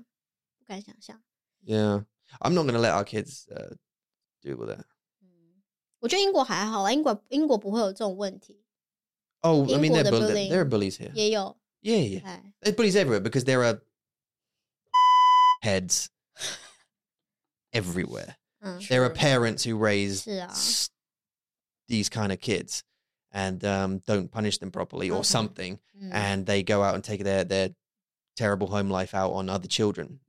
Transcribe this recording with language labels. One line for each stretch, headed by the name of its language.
Chinese: 我们应该会很生气吧，天哪，我觉得不敢想象，不敢想象。Yeah,
English: I'm not going to let our kids do with that.
Chinese: 我觉得英国还好啦，英国不会有这种问题。Oh,
English: I mean, there are bullies here.
Chinese: 也有。Yeah,
English: yeah. Okay. There are bullies everywhere because there are heads everywhere. There are parents who raise these kind of kids. And don't punish them properly or something. And they go out and take their terrible home life out on other children.